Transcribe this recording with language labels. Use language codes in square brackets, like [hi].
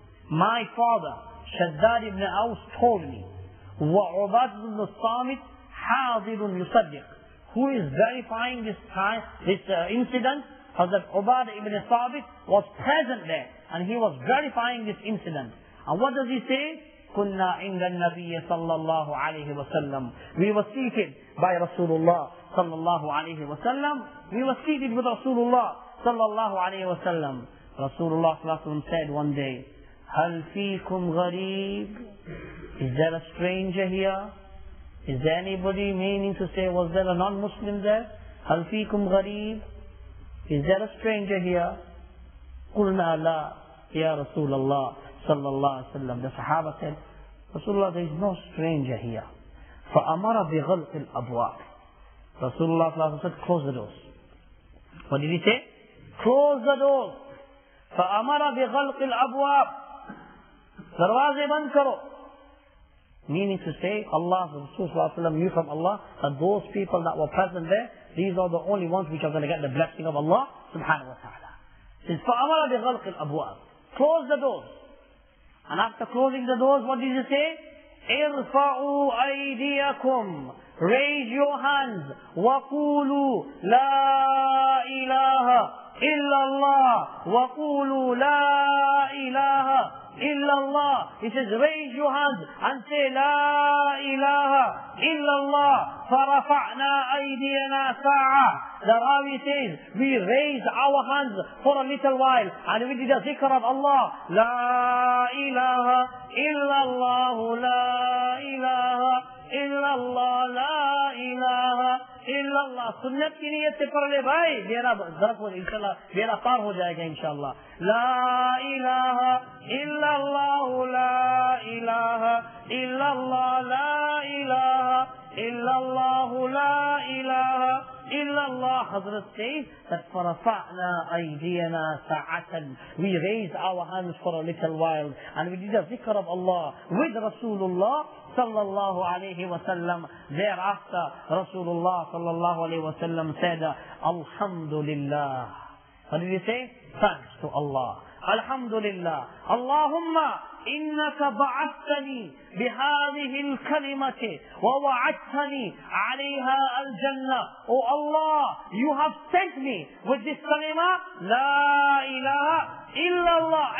[en] My father, Shaddad ibn Aws, told me, وَعُبَادُ ibn Samit [ar] حَاضِرٌ يُصَدِّقُ. [en] Who is verifying this incident? Hazrat Ubad ibn Samit was present there, and he was verifying this incident. And what does he say? [ar] كنا عند النبي صلى الله عليه وسلم. [en] We were seated by Rasulullah صلى الله عليه وسلم. We were seated with Rasulullah صلى الله عليه وسلم. Rasulullah صلى الله عليه وسلم said one day, [ar] هل فيكم غريب? [en] Is there a stranger here? Is there anybody, meaning to say, was there a non-Muslim there? [ar] هل فيكم غريب? [en] Is there a stranger here? [ar] قلنا لا يا رسول الله صلى الله عليه وسلم. [en] The Sahaba said, Rasulullah, there is no stranger here. [ar] فأمر بغلق الأبواب. [en] Rasulullah صلى الله عليه وسلم said, close the doors. What did he say? Close the doors. [ar] فأمر بغلق الأبواب. [ur] دروازه بند کرو. [en] Meaning to say, Allah, Rasulullah صلى الله عليه وسلم knew from Allah that those people that were present there, these are the only ones which are going to get the blessing of Allah subhanahu wa ta'ala. [ar] Since فأمر بغلق الأبواب. [en] Close the doors. And after closing the doors, what did he say? [ar] إِرْفَعُوا أَيْدِيَكُمْ [en] Raise your hands. [ar] وَقُولُوا لَا إِلَهَ إِلَّا اللَّهِ [en] وَقُولُوا [ar] لَا إِلَهَ إِلَّا اللَّهِ He says, raise your hands and say, لَا إِلَهَ إِلَّا اللَّهِ فَرَفَعْنَا أَيْدِيَنَا سَاعَةً [en] The Rawi says, we raised our hands for a little while and we did a zikr of Allah. [ar] لَا إِلَهَ إِلَّا اللَّهُ [ur] لَا إِلَهَ إِلَّا اللَّهُ لَا إِلَهَ إِلَّا اللَّهُ سُنَّت کی نیت سے پڑھ لے بھائی میرا ذرف ہو انشاءاللہ میرا پار ہو جائے گا انشاءاللہ لا الہ الا اللہ لا الہ [ar] الا اللہ لا الہ الا اللہ [en] لا الہ الا اللہ حضرت سے that [ar] فرفعنا ایدینا ساعتا [en] we raised our hands for a little while and we did a ذکر of Allah with رسول اللہ صلى الله عليه وسلم thereafter رسول الله صلى الله عليه وسلم said الحمد لله what did he say? Thanks to Allah [ar] الحمد لله اللهم إنك بعثتني بهذه الكلمة ووعدتني عليها الجنة [en] Oh Allah you have sent me with this kalima لا إله Illa Allah.